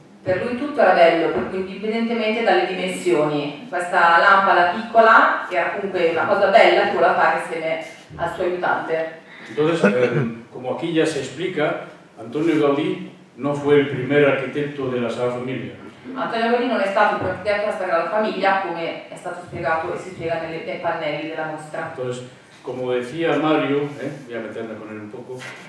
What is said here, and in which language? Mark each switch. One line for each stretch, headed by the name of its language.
Italian: Per lui tutto era bello, indipendentemente dalle dimensioni. Questa lampada piccola, che era comunque una cosa bella, tu la fai insieme al suo aiutante.
Spanish: Entonces,
Italian: come qui già
Spanish: si explica, Antonio Gaudí no fue el primer arquitecto de la Sagrada Familia.
Italian: Antonio Gaudí non è stato un arquitecto della Sagrada Familia, come è stato spiegato e si spiega nei pannelli della mostra.
Spanish: Entonces, como decía Mario, voy a meterme con él un poco.